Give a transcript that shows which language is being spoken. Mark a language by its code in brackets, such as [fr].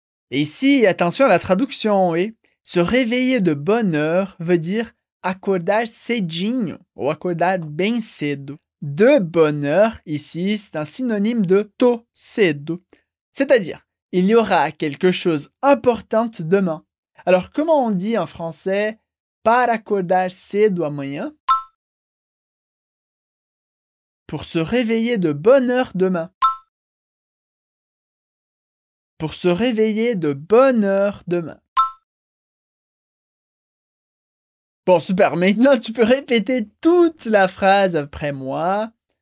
[fr] Et ici, attention à la traduction, oui. Se réveiller de bonne heure veut dire [pt] acordar cedinho ou acordar bem cedo. [fr] De bonne heure, ici, c'est un synonyme de tôt, cedo. C'est-à-dire, il y aura quelque chose d'important demain. Alors, comment on dit en français [pt] para acordar cedo amanhã? [fr] Pour se réveiller de bonne heure demain. Pour se réveiller de bonne heure demain. Bon, super. Maintenant, tu peux répéter toute la phrase après moi.